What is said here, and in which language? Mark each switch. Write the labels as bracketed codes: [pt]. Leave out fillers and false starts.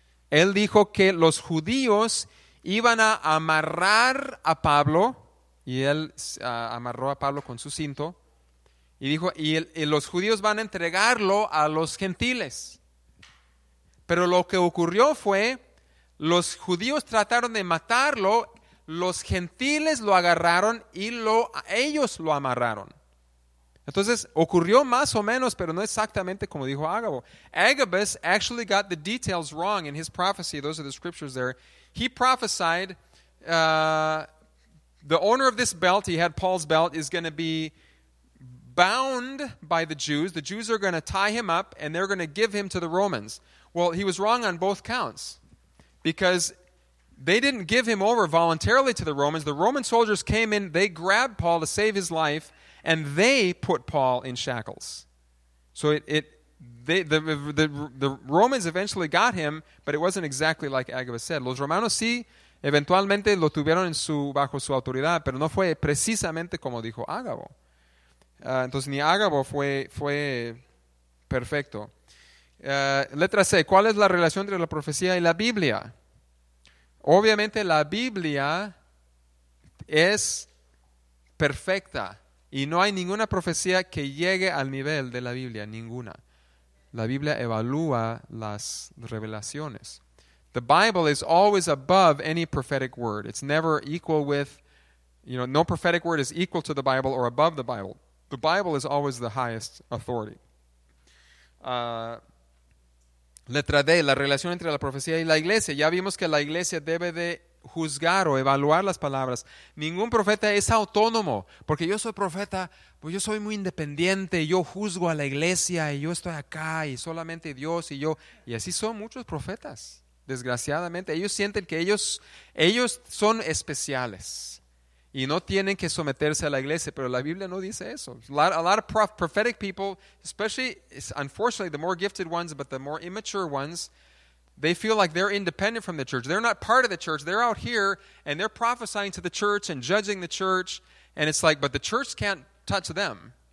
[es] Él dijo que los judíos iban a amarrar a Pablo, y él amarró a Pablo con su cinto y dijo, y los judíos van a entregarlo a los gentiles. Pero lo que ocurrió fue, los judíos trataron de matarlo, los gentiles lo agarraron y ellos lo amarraron. Entonces, ocurrió más o menos, pero no exactamente como dijo Agabo. [en] Agabus actually got the details wrong in his prophecy. Those are the scriptures there. He prophesied, the owner of this belt, he had Paul's belt, is going to be bound by the Jews. The Jews are going to tie him up, and they're going to give him to the Romans. Well, he was wrong on both counts, because they didn't give him over voluntarily to the Romans. The Roman soldiers came in, they grabbed Paul to save his life, and they put Paul in shackles. So the Romans eventually got him, but it wasn't exactly like Agabus said. [es] Los romanos sí, eventualmente lo tuvieron bajo su autoridad, pero no fue precisamente como dijo Agabo. Entonces ni Agabo fue perfecto. Letra C, ¿cuál es la relación entre la profecía y la Biblia? Obviamente la Biblia es perfecta y no hay ninguna profecía que llegue al nivel de la Biblia, ninguna. La Biblia evalúa las revelaciones. [en] The Bible is always above any prophetic word. It's never equal with, no prophetic word is equal to the Bible or above the Bible. The Bible is always the highest authority. [es] Letra D, la relación entre la profecía y la iglesia. Ya vimos que la iglesia debe de juzgar o evaluar las palabras. Ningún profeta es autónomo, porque yo soy profeta, pues yo soy muy independiente, yo juzgo a la iglesia y yo estoy acá y solamente Dios y yo. Y así son muchos profetas, desgraciadamente. Ellos sienten que ellos son especiales y no tienen que someterse a la iglesia, pero la Biblia no dice eso. [en] A lot of prophetic people, especially, unfortunately, the more gifted ones, but the more immature ones, they feel like they're independent from the church. They're not part of the church. They're out here, and they're prophesying to the church and judging the church, and it's like, but the church can't touch them.